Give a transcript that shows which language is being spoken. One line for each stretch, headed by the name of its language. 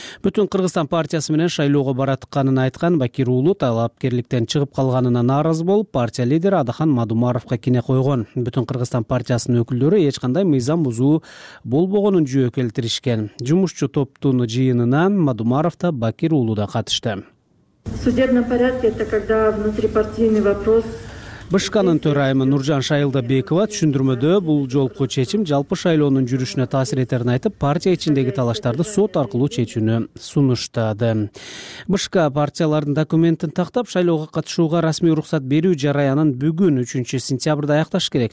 Kyrgyz: Бүтүн Кыргызстан партиясы менен шайлоого баратканын айткан Бакир уулу талапкерликтен чыгып калганына нааразы болуп, партия лидери Адахан Мадумаровко кине койгон. Бүтүн Кыргызстан партиясынын өкүлдөрү эч кандай мыйзам бузуу болбогонун жүйө келтиришкен. Жумушчу топтун жыйынына Мадумаров да, Бакир уулу да катышты.
Russian: Судебный порядок — это когда внутрипартийный вопрос.
Kyrgyz: БШКнын төрайымы Нуржан Шайылдабекова түшүндүрмөдө бул жолку чечим жалпы шайлоонун жүрүшүнө таасир этерин айтып, партия ичиндеги талаштарды сот аркылуу чечүүнү сунуштады. БШК партиялардын документин тактап, шайлоого катышууга расмий уруксат берүү жараянын бүгүн 3-сентябрда аякташ керек.